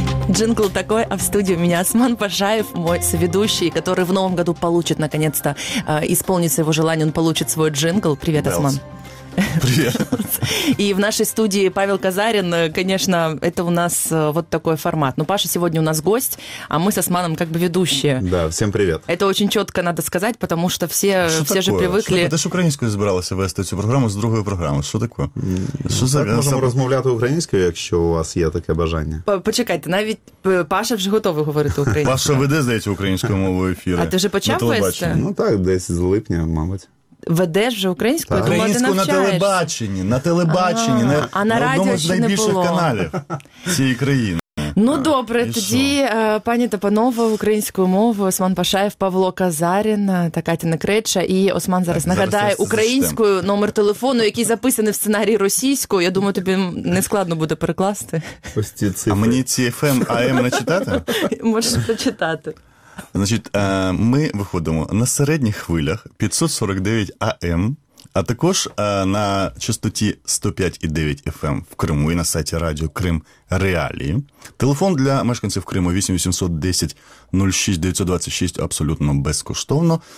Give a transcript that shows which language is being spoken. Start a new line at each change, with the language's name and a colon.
Russian: Джингл такой, а в студии у меня Осман Пашаев, мой соведущий, который в новом году получит, наконец-то, исполнит свое желание, он получит свой джингл. Привет, Белс. Осман. Привет. И в нашей студии Павел Казарин, конечно, это у нас вот такой формат. Но Паша сегодня у нас гость, а мы с Османом как бы ведущие. Да, всем привет. Это очень четко надо сказать, потому что все, а все же привыкли...
Ukrainian: Ты ж українською збиралася вести цю програму з другою програмою. Що таке? Що за... Так, можемо розмовляти українською, якщо у вас є таке бажання. Почекайте, навіть Паша вже готовий говорити українською. Паша веде, здається, українською мовою ефіри. А ти вже почав вести? Ну так, десь з липня, мабуть. Ведеш вже українську? Так. Українську на телебаченні, на одному з найбільших було. Каналів цієї країни. Ну, а, добре, тоді, що? Пані та панове, українською мовою Осман Пашаєв, Павло Казарін та Катя Некреча. І Осман зараз нагадає українською номер телефону, який записаний в сценарії російською. Я думаю, тобі не складно буде перекласти. Ось ці цифри. А мені ці FM AM не читати? Можеш прочитати. Значить, ми виходимо на середніх хвилях 549 АМ, а також на частоті 105,9 FM в Криму і на сайті радіо Крим Реалії. Телефон для мешканців Криму 8-810-06-926 абсолютно безкоштовно.